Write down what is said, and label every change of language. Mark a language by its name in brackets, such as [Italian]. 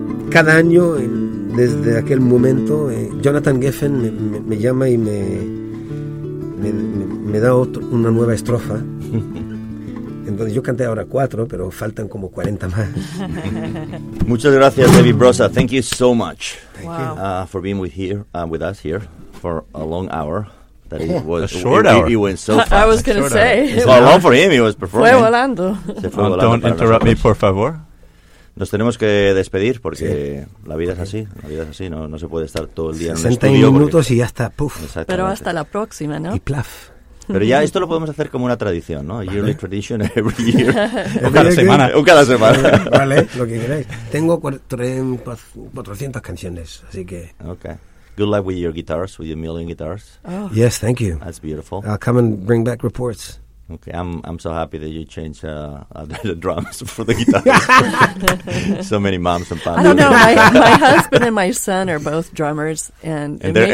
[Spanish] cada año desde aquel momento Jonathan Geffen me llama y me da una nueva estrofa entonces yo canté ahora 4 pero faltan como 40 más. Muchas gracias [English] David Brosa, thank you so much. Wow. For being with us here for a long hour. A short hour. He went so fast. I was going to say it's not long for him, he was performing. [Spanish] Fue volando. [English] Don't interrupt me [Spanish] por favor. Nos tenemos que despedir porque sí. la vida es así, no se puede estar todo el día en un estudio. 60 minutos y ya está, puf. Pero hasta la próxima, ¿no? Y plaf. Pero ya esto lo podemos hacer como una tradición, ¿no? Vale. [English] Yearly tradition every year. [Spanish] cada semana. Vale, lo que queráis. Tengo 400 canciones, así que... [English] Okay. Good luck with your guitars, with your million guitars. Oh. Yes, thank you. That's beautiful. I'll come and bring back reports. Okay, I'm so happy that you changed the drums for the guitar. So many moms and fathers. I don't know. My husband and my son are both drummers, and they're